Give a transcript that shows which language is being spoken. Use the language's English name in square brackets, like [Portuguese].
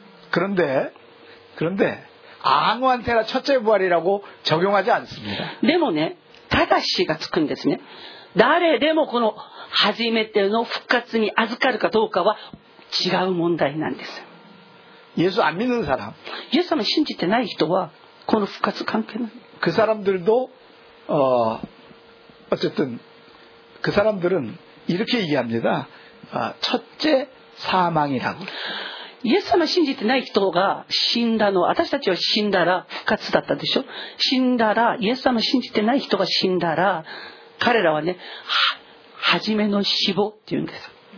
[Korean] 그런데아무한테나첫째부활이라고적용하지않습니다。 [Japanese] でもね、ただしがつくんですね。誰でもこの初めての復活に預かるかどうかは違う問題なんです。 [Korean] 예수안믿는사람 [Japanese] イエス様信じてない人はこの復活関係ない。 [Korean] 그사람들도어쨌든그사람들은이렇게얘기합니다첫째사망이라고 [Japanese] イエス様信じてない人が死んだの私たちは死んだら復活だったでしょ。死んだらイエス様信じてない人が死んだら彼らはね、初めの死亡って言うんです。